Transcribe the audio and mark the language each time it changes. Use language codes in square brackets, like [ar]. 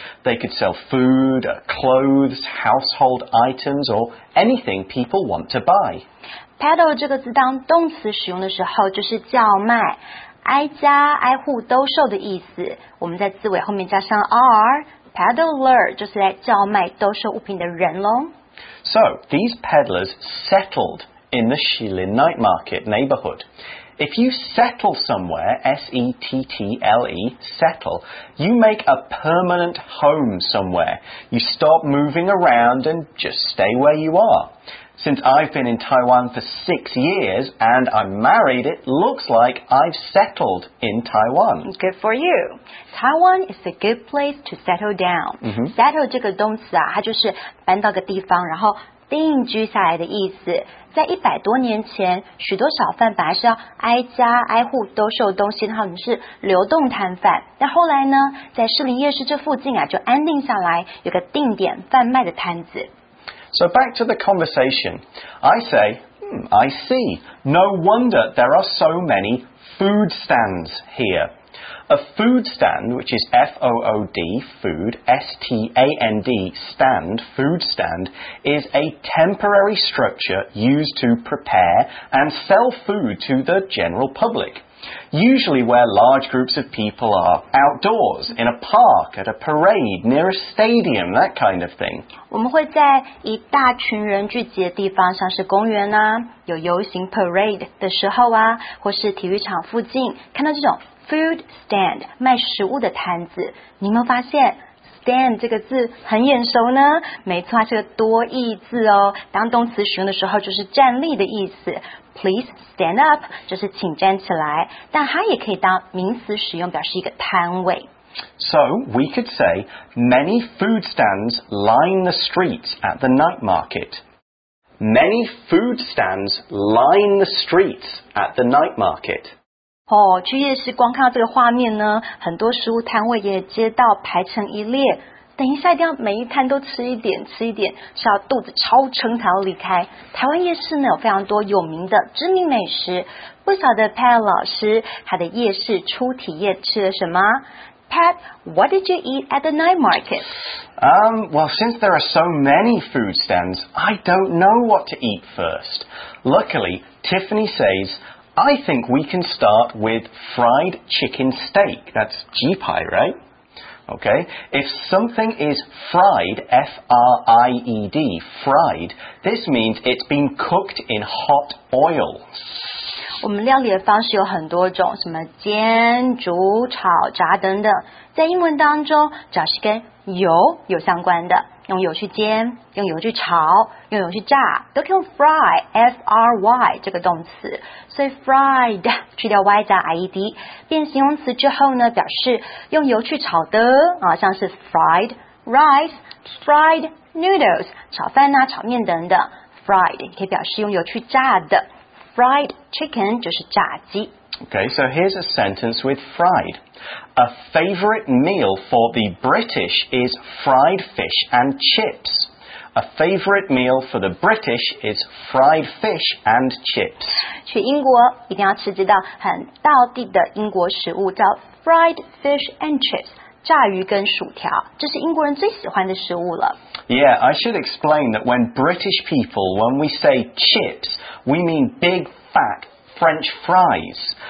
[en] They could sell food, clothes, household items, or anything people want to buy. [zh] Peddle 这个字当动词使用的时候就是叫卖。挨家挨户兜售的意思，我们在字尾后面加上 r, peddler 就是来叫卖兜售物品的人咯。 [en] So, these peddlers settled in the Shilin Night Market neighborhood. If you settle somewhere, S-E-T-T-L-E, settle, you make a permanent home somewhere. You stop moving around and just stay where you are. Since I've been in Taiwan for 6 years and I'm married, it looks like I've settled in Taiwan. Good for you. Taiwan is a good place to settle down.、 Mm-hmm. [zh] Settle 这个动词啊，它就是搬到个地方，然后定居下来的意思。在一百多年前，许多小贩本来是要挨家挨户兜售东西，他们是流动摊贩。但后来呢，在士林夜市这附近啊，就安定下来，有个定点贩卖的摊子。 [en] So back to the conversation. I say, I see. No wonder there are so many food stands here. A food stand, which is F-O-O-D, food, S-T-A-N-D, stand, food stand, is a temporary structure used to prepare and sell food to the general public. Usually where large groups of people are outdoors, in a park, at a parade, near a stadium, that kind of thing. [zh] 我们会在一大群人聚集的地方，像是公园啊，有游行 parade 的时候啊，或是体育场附近，看到这种 food stand, 卖食物的摊子。你有没有发现 stand 这个字很眼熟呢？没错，是个多义字哦。当动词使用的时候，就是站立的意思。 [en] Please stand up, [zh] 就是请站起来。但它也可以当名词使用，表示一个摊位。 [en] So, we could say, many food stands line the streets at the night market. Many food stands line the streets at the night market. [zh] 哦，去夜市光看到这个画面呢，很多食物摊位也街道排成一列。等一下一定要每一摊都吃一点吃一点，吃到肚子超撑才要离开。台湾夜市呢有非常多有名的知名美食，不晓得 Pat 老师他的夜市初体验吃了什么？ [en] Pat, what did you eat at the night market? Well, since there are so many food stands, I don't know what to eat first. Luckily, Tiffany says, I think we can start with fried chicken steak. That's jipai, right? Okay, if something is fried, F-R-I-E-D, fried, this means it's been cooked in hot oil. [zh] 我们料理的方式有很多种，什么煎、煮、炒、炸等等。在英文当中，只要是跟油有相关的，用油去煎、用油去炒、用油去炸，都可以用 fry, F-R-Y 这个动词。所以 fried 去掉 y 加 ied 变形容词之后呢，表示用油去炒的啊，像是 [en] fried rice, fried noodles [zh] 炒饭啊、炒面等等。 fried 可以表示用油去炸的 ， [en] fried chicken [zh] 就是炸鸡。 [en] Okay, so here's a sentence with fried. A favorite meal for the British is fried fish and chips. A favorite meal for the British is fried fish and chips. [zh] 去英国一定要吃这道很道地的英国食物，叫 [en] fried fish and chips, [zh] 炸鱼跟薯条，这是英国人最喜欢的食物了。 [en] Yeah, I should explain that when British people, when we say chips, we mean big, fat French fries.